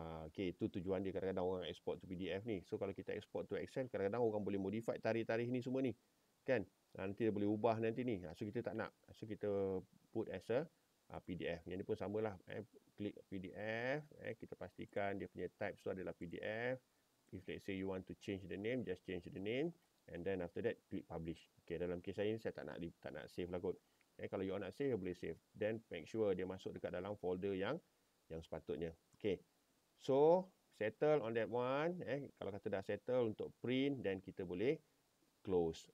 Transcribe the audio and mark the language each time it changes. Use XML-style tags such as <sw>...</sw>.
<ms>Okay, itu tujuan dia kadang-kadang orang export to PDF ni. So, kalau kita export to Excel, kadang-kadang orang boleh modify tarikh-tarikh ni semua ni. Kan? Nanti dia boleh ubah nanti ni. So, kita tak nak. So, kita put as a PDF. Yang ni pun samalah. Klik PDF. Kita pastikan dia punya type tu adalah PDF.</ms> <en>If let's say you want to change the name, just change the name. And then after that, click publish.</en> <ms>Okay, dalam kes saya ni, saya tak nak save lah kot. Kalau you nak save, boleh save.</ms> <en>Then, make sure</en> <ms>dia masuk dekat dalam folder yang sepatutnya. Okay.</ms> <en>So, settle on that one.</en> <ms>Kalau kata dah settle untuk print, then kita boleh close.</ms>